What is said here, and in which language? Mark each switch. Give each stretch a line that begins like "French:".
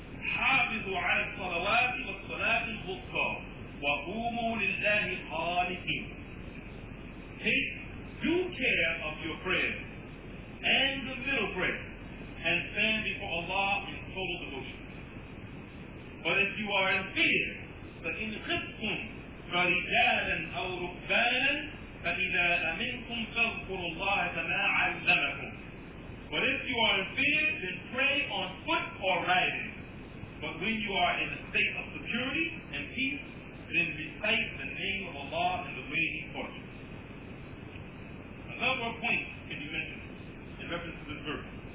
Arabic: حَافِظُوا عَلَى الصَّلَوَاتِ وَالصَّلَاةِ الْوُسْطَى وَقُومُوا لِلَّهِ قَانِتِينَ.
English: Take due care of your prayers and the middle prayer, and stand before Allah in total devotion. But if you are in fear,
Arabic: فَإِنْ خِفْتُمْ فَرِجَالًا أَوْ رُكْبَانًا فَإِذَا أَمِنْكُمْ فَاذْكُرُوا اللَّهَ كَمَا عَلَّمَكُمْ.
English: But if you are in fear, then pray on foot or riding. But when you are in a state of security and peace, then recite the name of Allah in the way He taught you. Another point can be mentioned in reference to this verse.